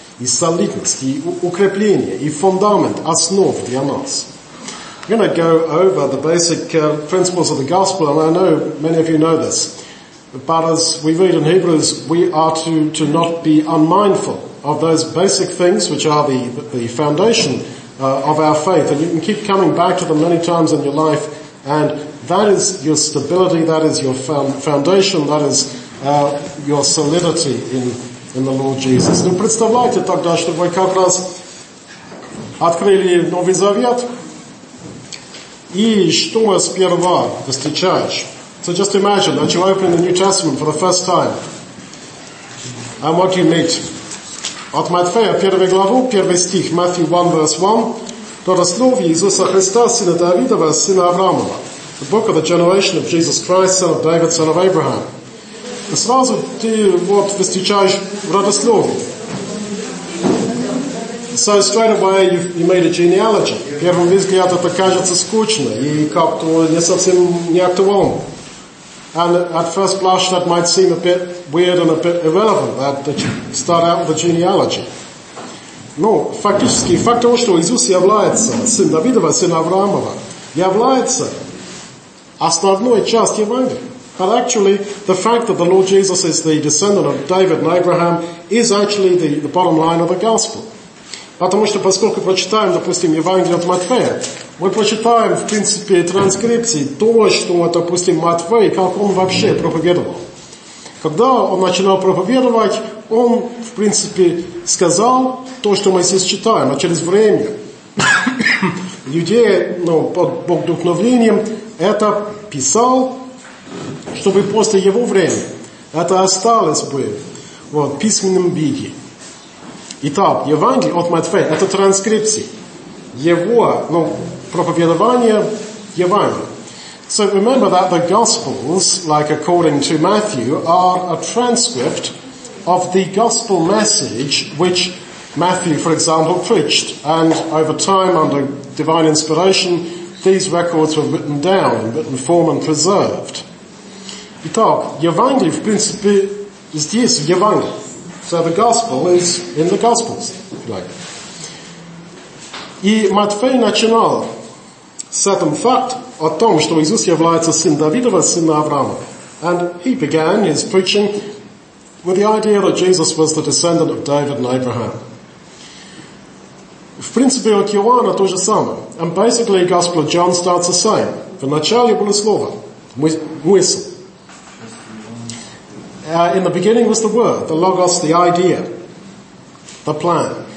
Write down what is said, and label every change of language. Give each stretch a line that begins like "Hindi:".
Russian: И солидность, и укрепление, и фундамент, основ для нас.
English: I'm going to go over the basic principles of the gospel, and I know many of you know this. But as we read in Hebrews, we are to not be unmindful of those basic things which are the foundation of our faith. And you can keep coming back to them many times in your life, and that is your stability, that is your foundation, that is your solidity in the Lord Jesus.
Russian: Ну, представляете тогда, что вы как раз открыли Новый Завет, и что вы сперва встречаешь?
English: So just imagine that you open the New Testament for the first time. And what do you meet?
Russian: От Матфея, 1 главу, 1 стих,
English: Matthew 1, verse 1.
Russian: До родословия Иисуса Христа, сына Давидова, сына Авраамова.
English: The book of the generation of Jesus Christ, son of David, son of Abraham.
Russian: Сразу ты вот встречаешь в родословии.
English: So straight away you made a genealogy.
Russian: Первым взглядом это кажется скучно и как-то не совсем не актуально.
English: And at first blush that might seem a bit weird and a bit irrelevant that you start out with a genealogy.
Russian: Но фактически факт того, что Иисус является сын Давидова, сын Авраамова, является основной частью Евангелия.
English: But actually, the fact that the Lord Jesus is the descendant of David and Abraham is actually the bottom line of the gospel.
Russian: Потому что поскольку прочитаем, допустим, Евангелие от Матфея, мы прочитаем, в принципе, транскрипции то, что, допустим, Матфей, как он вообще проповедовал. Когда он начинал проповедовать, он, в принципе, сказал то, что мы здесь читаем, а через время людей, под вдохновением, это писал, чтобы после его времени это осталось бы в письменном виде. Итак, Евангелие от Матфея – это транскрипция его проповедования Евангелия.
English: So remember that the Gospels, like according to Matthew, are a transcript of the Gospel message which Matthew, for example, preached. And over time, under divine inspiration, these records were written down in written form and preserved.
Russian: Итак, Евангелие, в принципе, здесь, в Евангелии.
English: So the Gospel is in the Gospels, if you like.
Russian: И Матфей начинал с этим факт о том, что Иисус является сын Давидова, сын Авраама.
English: And he began his preaching with the idea that Jesus was the descendant of David and Abraham.
Russian: В принципе, от Иоанна то же самое.
English: And basically, the Gospel of John starts the same.
Russian: В начале было слово, мысль.
English: In the beginning was the word, the logos, the idea, the plan.